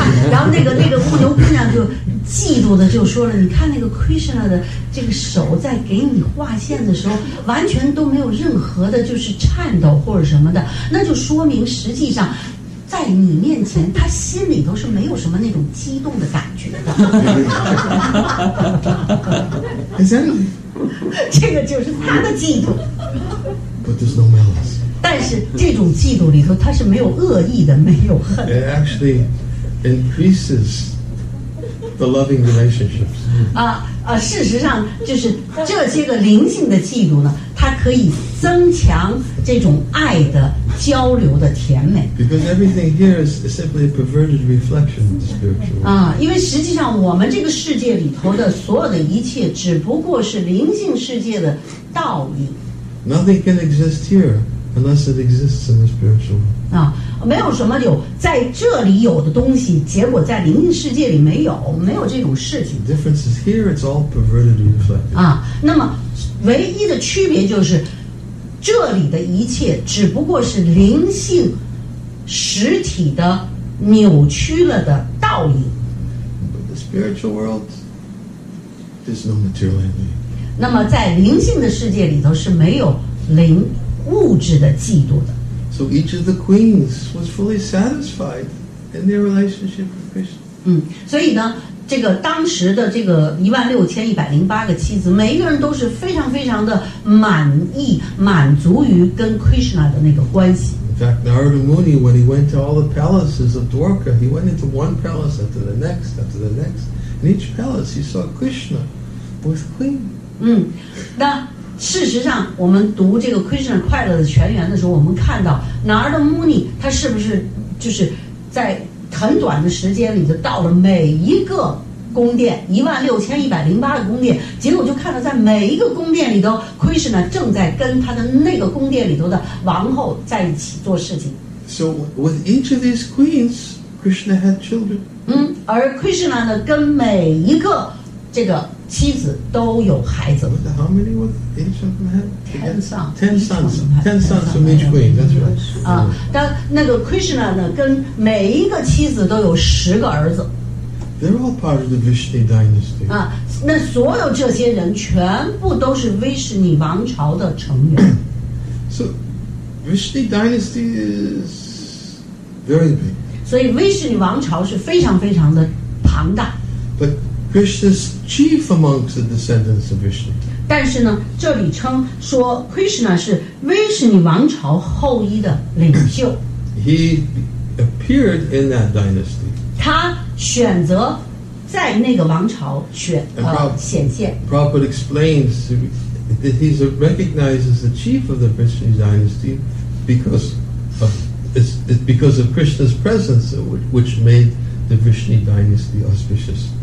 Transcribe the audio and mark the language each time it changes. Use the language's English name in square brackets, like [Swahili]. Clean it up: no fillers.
[Chinese] 然后那个牧牛姑娘就嫉妒的就说了，你看那个 Krishna 的这个手在给你画线的时候完全都没有任何的就是颤抖或者什么的，那就说明实际上在你面前他心里头是没有什么那种激动的感觉的。这个就是他的嫉妒。 [English] But there's no malice. [Chinese] 但是这种嫉妒里头他是没有恶意的，没有恨。 [English] It actually increases the loving relationships. [Chinese] 事实上就是这些个灵性的嫉妒呢，它可以增强这种爱的交流的甜美。 [English] Because everything here is simply a perverted reflection of the spiritual world. [Chinese] 因为实际上我们这个世界里头的所有的一切只不过是灵性世界的倒影。 [English] Nothing can exist here unless it exists in the spiritual world. [Chinese] 没有什么有在这里有的东西结果在灵性世界里没有，没有这种事情。 [English] The difference is here it's all perverted and reflected. [Chinese] 那么唯一的区别就是这里的一切只不过是灵性实体的扭曲了的倒影。 [English] But the spiritual world there's no material envy. [Chinese] 那么在灵性的世界里头是没有灵物质的嫉妒的。 [English] So each of the queens was fully satisfied in their relationship with Krishna. [Chinese] 所以呢，这个当时的这个16108个妻子，每一个人都是非常非常的满意，满足于跟 Krishna 的那个关系。 [English] In fact, Narada Muni, when he went to all the palaces of Dwarka, he went into one palace after the next, after the next. In each palace, he saw Krishna with queen. [Chinese] 那事实上我们读这个 Krishna 快乐的泉源的时候，我们看到 Narada Muni 他是不是就是在很短的时间里就到了每一个宫殿，16108个宫殿，结果就看到在每一个宫殿里头 Krishna 正在跟他的那个宫殿里头的王后在一起做事情。 [English] So with each of these queens Krishna had children. [Chinese] 而 Krishna 呢跟每一个这个妻子都有孩子。 [English] How many were each of them had? Ten sons from each queen. That's right. [Chinese] 但那个 Krishna 呢跟每一个妻子都有10个儿子。 [English] They're all part of the Vishnu dynasty. [Chinese] 啊，那所有这些人全部都是威士尼王朝的成员。 [English] So, Vishnu dynasty is very big. [Chinese] 所以威士尼王朝是非常非常的庞大。 [English] But Krishna's chief amongst the descendants of Vishnu. [Chinese] 但是呢，这里称说 Krishna 是威士尼王朝后裔的领袖。 [English] He appeared in that dynasty. [Chinese] 他选择在那个王朝选显现。 [English] Prabhupada explains that he's recognized as the chief of the Vishnu dynasty because of Krishna's presence, which made the Vishnu dynasty auspicious.